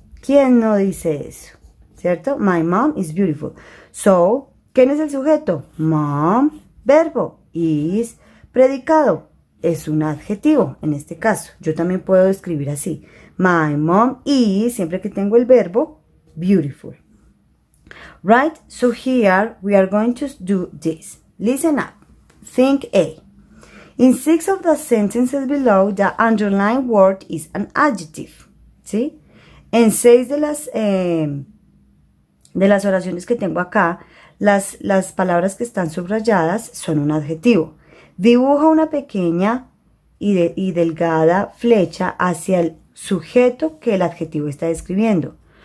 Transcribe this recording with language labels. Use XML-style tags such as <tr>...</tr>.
<es>¿Quién no dice eso? ¿Cierto?</es> <en>My mom is beautiful.</en> <es>So, ¿quién es el sujeto? Mom, verbo, is, predicado. Es un adjetivo, en este caso. Yo también puedo escribir así.</es> <en>My mom is,</en> <es>siempre que tengo el verbo, beautiful.</es> <en>Right? So here, we are going to do this. Listen up. Think A. In six of the sentences below, the underlined word is an adjective.</en> <es>¿Sí? En seis de las oraciones que tengo acá, las palabras que están subrayadas son un adjetivo. Dibuja una pequeña y delgada flecha hacia el sujeto que el adjetivo está describiendo.</es>